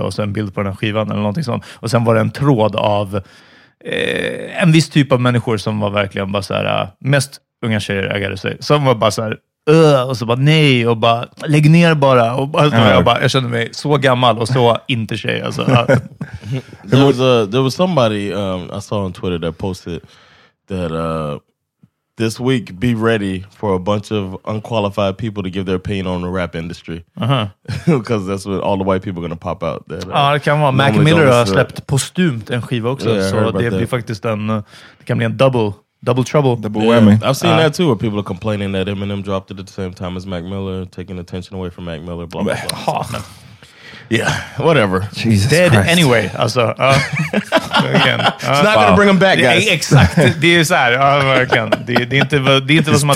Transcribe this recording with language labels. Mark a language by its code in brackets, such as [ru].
[sv] Och sen bild på den skivan eller någonting sånt. Och sen var det en tråd av en viss typ av människor som var verkligen bara så här, mest unga tjejer ägare sig. Som var bara så här, och så bara nej och bara lägg ner bara och bara, jag kände mig så gammal och så inte tjej alltså. [en] there was somebody I saw on Twitter that posted that this week be ready for a bunch of unqualified people to give their opinion on the rap industry. Because that's what all the white people are going to pop out. [sv] Det kan vara Mac Miller har släppt postumt en skiva också, så det blir faktiskt en, det kan bli en [en] double trouble. Double whammy. Yeah, I've seen that too, where people are complaining that Eminem dropped it at the same time as Mac Miller, taking attention away from Mac Miller, blah, blah, blah. Yeah, whatever. Jesus dead Christ. Anyway. Also, again. It's not going to bring him back, guys. [sv] Exakt. Det är så här. Det är inte vad som har